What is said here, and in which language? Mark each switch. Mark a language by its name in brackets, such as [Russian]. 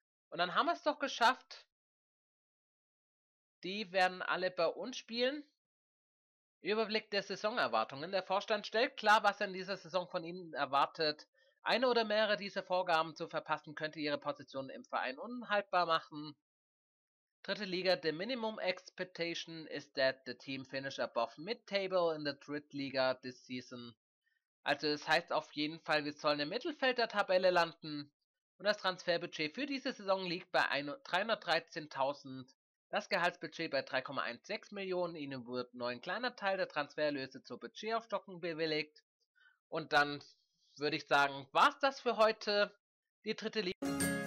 [German] Und dann haben wir es doch geschafft. Die werden alle bei uns spielen. Überblick der Saisonerwartungen. Der Vorstand stellt klar, was er in dieser Saison von ihnen erwartet. Eine oder mehrere dieser Vorgaben zu verpassen, könnte ihre Position im Verein unhaltbar machen. [English] Dritte Liga, the minimum expectation is that the team finish above mid-table in the dritte Liga this season. [German] Also das heißt auf jeden Fall, wir sollen im Mittelfeld der Tabelle landen. Und das Transferbudget für diese Saison liegt bei 313.000. Das Gehaltsbudget bei 3,16 Millionen. Ihnen wird nur ein kleiner Teil der Transferlöse zur Budgetaufstockung bewilligt. Und dann würde ich sagen, war's das für heute. Die dritte Liga.